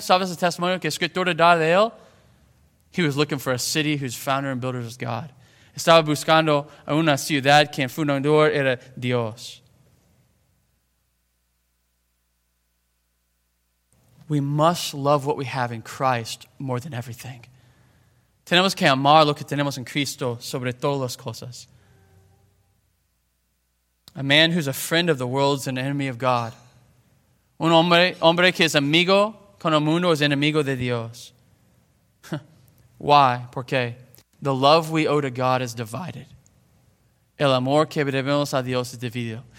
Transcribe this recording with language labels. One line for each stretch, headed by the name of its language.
Spanish: ¿Sabes el testimonio que Escritura da de él?
English: He was looking for a city whose founder and builder is God.
Spanish: Estaba buscando a una ciudad que en fundador era Dios.
English: We must love what we have in Christ more than everything.
Spanish: Tenemos que amar lo que tenemos en Cristo sobre todas las cosas.
English: A man who's a friend of the world is an enemy of God.
Spanish: Un hombre que es amigo con el mundo es enemigo
English: de Dios. Why?
Spanish: ¿Por qué?
English: The love we owe to God is divided.
Spanish: El amor que debemos a Dios es dividido.